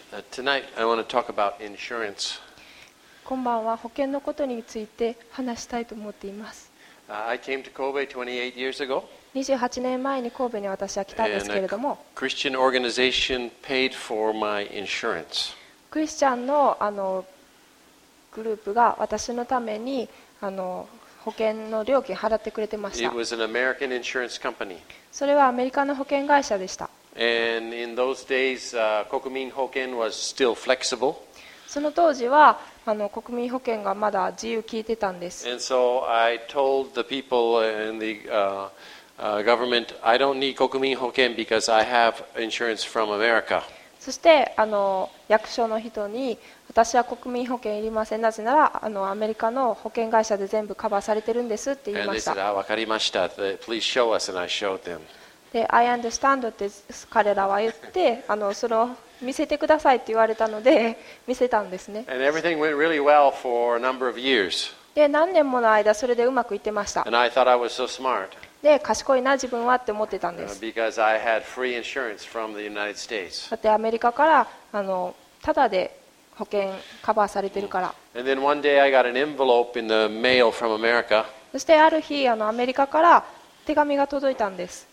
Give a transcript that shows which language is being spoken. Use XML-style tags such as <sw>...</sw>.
<en>Tonight I want to talk about insurance.</en> <ja>こんばんは。保険のことについて話したいと思っています。</ja> <en>I came to Kobe 28 years ago.</en> <ja>28年前に神戸に私は来たんですけれども、</ja> <en>And a Christian organization paid for my insurance.</en> <ja>クリスチャンの、グループが私のために保険の料金払ってくれてました。</ja> <en>It was an American insurance company.</en> <ja>それはアメリカの保険会社でした。</ja> <en>And in those days, 国民保険 was still flexible.</en> <ja>その当時は国民保険がまだ自由効いてたんです。</ja> <en>And so I told the people in the government, I don't need 国民保険 because I have insurance from America.</en> <ja>そして役所の人に、私は国民保険いりません、なぜならアメリカの保険会社で全部カバーされてるんですって言いました。</ja> <en>And they said,</en> <ja>わかりました。</ja> <en>Please show us, and I showed them.</en> <ja>で、</ja> <en>I understand</en> <ja>って彼らは言って、その見せてくださいって言われたので見せたんですね。</ja> <en>And everything went really well for a number of years.</en> <ja>で、何年もの間それでうまくいってました。</ja> <en>And I thought I was so smart.</en> <ja>で、賢いな自分はって思ってたんです。</ja> <en>Because I had free insurance from the United States.</en> <ja>だってアメリカからただで保険カバーされてるから。</ja> <en>And then one day I got an envelope in the mail from America.</en> <ja>そしてある日アメリカから手紙が届いたんです。</ja>